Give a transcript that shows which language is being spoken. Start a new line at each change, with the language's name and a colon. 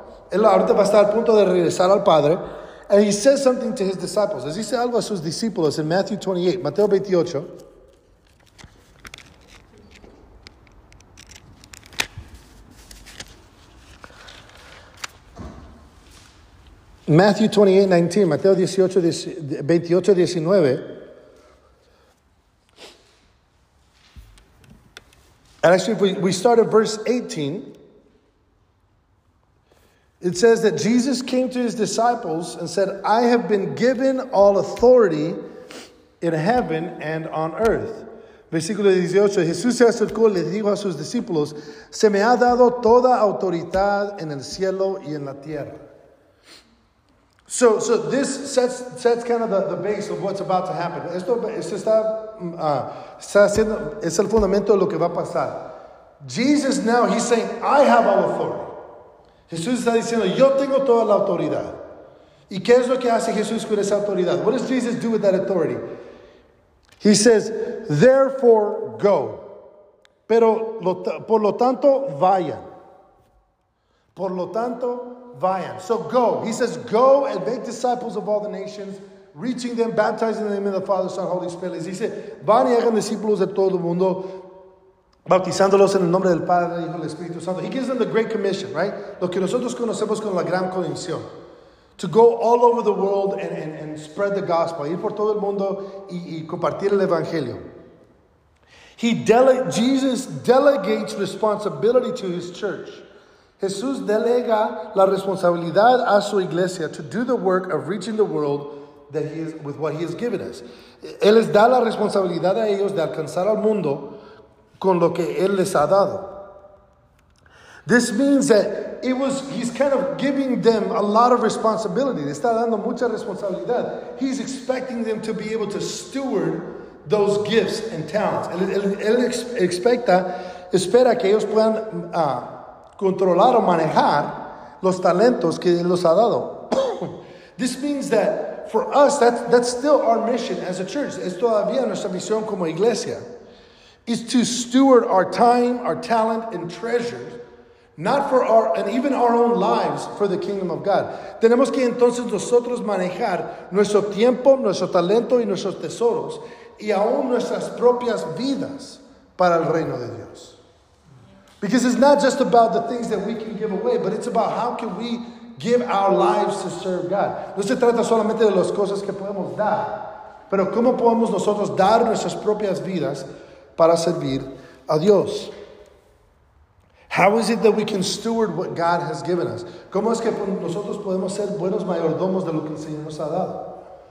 Spanish: Él ahorita va a estar a punto de regresar al Padre.
English: And he says something to his disciples.
Spanish: Les dice algo a sus discípulos
English: in Matthew 28, Mateo 28. Now Matthew 28:19, Mateo 28:19. And actually, if we start at verse 18, it says that Jesus came to his disciples and said, I have been given all authority in heaven and on earth.
Spanish: Versículo 18, Jesús se acercó y le dijo a sus discípulos, se me ha dado toda autoridad en el cielo y en la tierra.
English: So this sets kind of the base of what's about to happen.
Spanish: Esto está haciendo, es el fundamento de lo que va a pasar.
English: Jesus now, he's saying, I have all authority.
Spanish: Jesús está diciendo, yo tengo toda la autoridad. ¿Y qué es lo que hace Jesús con esa autoridad?
English: What does Jesus do with that authority? He says, therefore, go.
Spanish: Pero, por lo tanto, vayan. Por lo tanto, vayan.
English: So go. He says, go and make disciples of all the nations, reaching them, baptizing them in the Father, Son, Holy Spirit. He said,
Spanish: van y hagan discípulos de todo el mundo, bautizándolos en el nombre del Padre, Hijo y del Espíritu Santo.
English: He gives them the Great Commission, right?
Spanish: Lo que nosotros conocemos como la Gran Comisión.
English: To go all over the world and spread the gospel.
Spanish: Ir por todo el mundo y compartir el evangelio.
English: Jesus delegates responsibility to his church.
Spanish: Jesús delega la responsabilidad a su iglesia
English: to do the work of reaching the world that he is, with what he has given us.
Spanish: Él les da la responsabilidad a ellos de alcanzar al mundo con lo que él les ha dado.
English: This means that he's kind of giving them a lot of responsibility.
Spanish: Está dando mucha responsabilidad.
English: He's expecting them to be able to steward those gifts and talents.
Spanish: Él espera que ellos puedan controlar o manejar los talentos que él los ha dado.
English: This means that for us, that's still our mission as a church.
Spanish: Es todavía nuestra misión como iglesia.
English: Is to steward our time, our talent, and treasures. Not for our, and even our own lives, for the kingdom of God.
Spanish: Tenemos que entonces nosotros manejar nuestro tiempo, nuestro talento y nuestros tesoros, y aún nuestras propias vidas para el reino de Dios.
English: Because it's not just about the things that we can give away, but it's about how can we give our lives to serve God.
Spanish: No se trata solamente de las cosas que podemos dar, pero cómo podemos nosotros dar nuestras propias vidas para servir a Dios.
English: How is it that we can steward what God has given us?
Spanish: ¿Cómo es que nosotros podemos ser buenos mayordomos de lo que el Señor nos ha dado?